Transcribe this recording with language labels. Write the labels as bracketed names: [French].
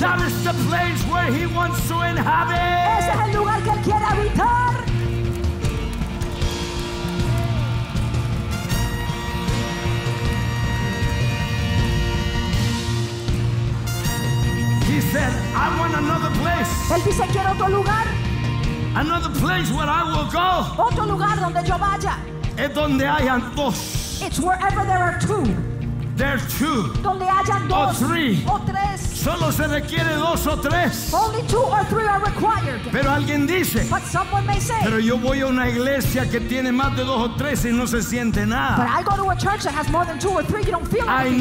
[English] That is the place where he wants to inhabit. [Spanish] Ese es el lugar que él quiere habitar. [English] I want another place. [Spanish] Él dice, quiero otro lugar. [English] Another place where I will go. [Spanish] Otro lugar donde yo vaya. Es donde hayan dos. [English] It's wherever there are two. there's two, [Spanish] donde haya dos, [English] or three, [Spanish] o tres, solo se requiere dos o tres. [English] Only two or three are required. [Spanish] Pero alguien dice, [English] but someone may say, [Spanish] pero yo voy a una iglesia que tiene más de dos o tres y no se siente nada. [English] But I go to a church that has more than two or three, you don't feel anything.